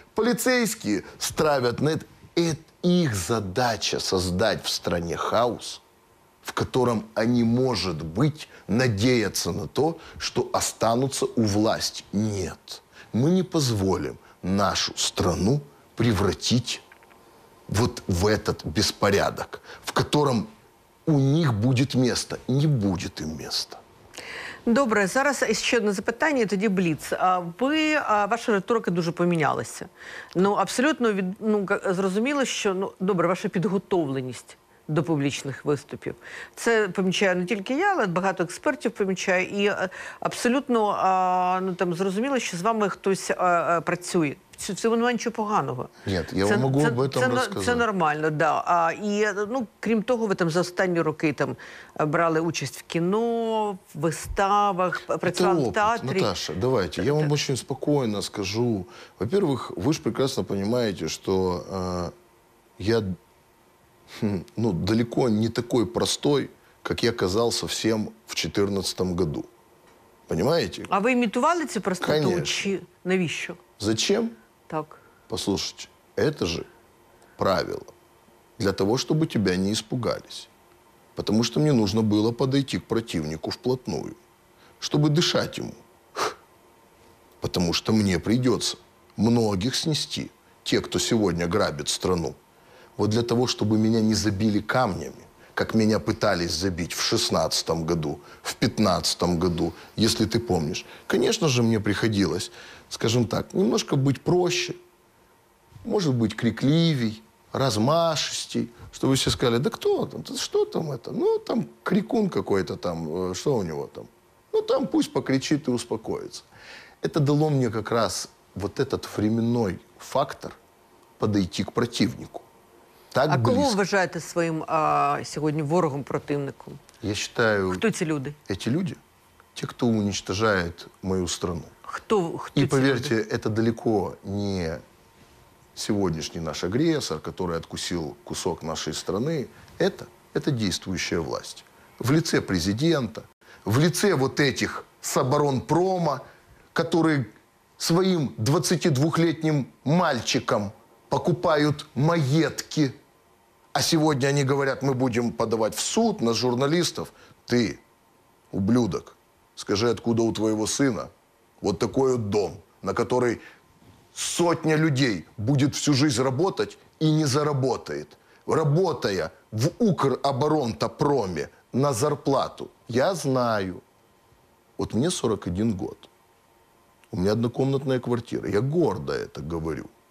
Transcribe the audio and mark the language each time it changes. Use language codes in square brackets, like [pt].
[ru] Полицейские стравят на это. Их задача создать в стране хаос, в котором они, может быть, надеяться на то, что останутся у власти. Нет. Мы не позволим нашу страну превратить вот в этот беспорядок, в котором у них будет место. Не будет им места. [uk] Добре, зараз ще одне запитання, і тоді бліц. Ваша риторика дуже помінялася. Ну, абсолютно зрозуміло, що, добре, ваша підготовленість до публічних виступів. Це помічаю не тільки я, але багато експертів помічаю. І абсолютно зрозуміло, що з вами хтось працює. Це воно нічого поганого. Ні, я можу об цьому розказати. Це нормально, так. Да. Крім того, ви там за останні роки там брали участь в кіно, в виставах, працювали в театрі. Наташа, давайте, я вам дуже спокійно скажу. [ru] Во-первых, [uk] ви ж прекрасно розумієте, що я... [ru] Ну, далеко не такой простой, как я казался всем в 14-м году. Понимаете? А вы имитували эту простоту? Конечно. [uk] Навищо? [ru] Зачем? Так. Послушайте, это же правило. Для того, чтобы тебя не испугались. Потому что мне нужно было подойти к противнику вплотную. Чтобы дышать ему. Потому что мне придется многих снести. Те, кто сегодня грабит страну. Вот для того, чтобы меня не забили камнями, как меня пытались забить в 16-м году, в 15-м году, если ты помнишь. Конечно же, мне приходилось, скажем так, немножко быть проще, может быть, крикливей, размашистей, чтобы все сказали, да кто там, что там это? Ну, там крикун какой-то там, что у него там? Ну, там пусть покричит и успокоится. Это дало мне как раз вот этот временной фактор подойти к противнику. Так [uk] а кого вважаєте своїм сьогодні ворогом, противником? Я вважаю... Хто ці люди? Ці люди? Ті, хто уничтожує мою страну. Хто ці люди? І, повірте, це далеко не сьогоднішній наш агресор, який відкусив кусок нашої страни. Це дійснуюча власть. [ru] В лице президента, в лице вот этих з оборонпрома, которые своїм 22-летним мальчиком покупают [uk] маєтки. А сьогодні вони говорять, ми будемо подавати в суд на журналістів. [ru] Ти, ублюдок, скажи, откуда у твоєго сина вот такой вот дом, на который сотня людей будет всю жизнь работать и не заработает. Работая в Укроборонпроме на зарплату, я знаю, вот мне 41 год, у меня однокомнатная квартира, я гордо это говорю.